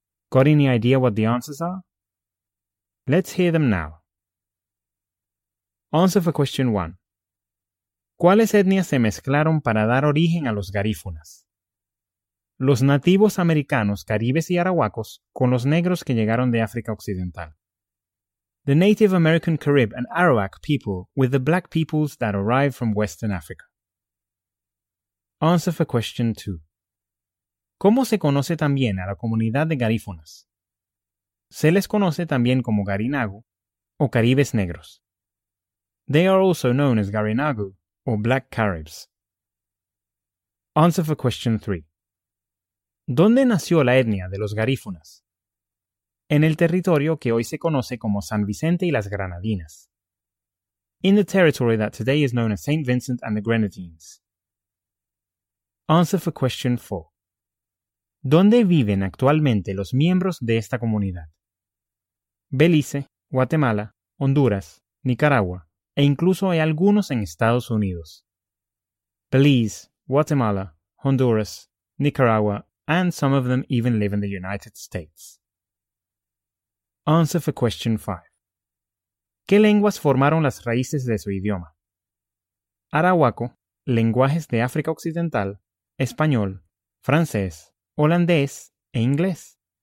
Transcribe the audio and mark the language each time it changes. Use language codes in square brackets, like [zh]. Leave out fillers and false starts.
[en] Got any idea what the answers are? Let's hear them now. Answer for question 1. [es] ¿Cuáles etnias se mezclaron para dar origen a los garífunas? Los nativos americanos, caribes y arahuacos con los negros que llegaron de África Occidental. [en] The Native American Carib and Arawak people with the black peoples that arrived from Western Africa. Answer for question 2. [es] ¿Cómo se conoce también a la comunidad de garífunas? Se les conoce también como Garinagu o caribes negros. [en] They are also known as Garinagu or Black Caribs. Answer for question 3. [es] ¿Dónde nació la etnia de los garífunas? En el territorio que hoy se conoce como San Vicente y las Granadinas. [en] In the territory that today is known as St. Vincent and the Grenadines. Answer for question 4. [es] ¿Dónde viven actualmente los miembros de esta comunidad? Belice, Guatemala, Honduras, Nicaragua, e incluso hay algunos en Estados Unidos. [en] Belize, Guatemala, Honduras, Nicaragua, and some of them even live in the United States. Answer for question 5. [es] ¿Qué lenguas formaron las raíces de su idioma? Arahuaco, lenguajes de África Occidental, español, francés, holandés e inglés.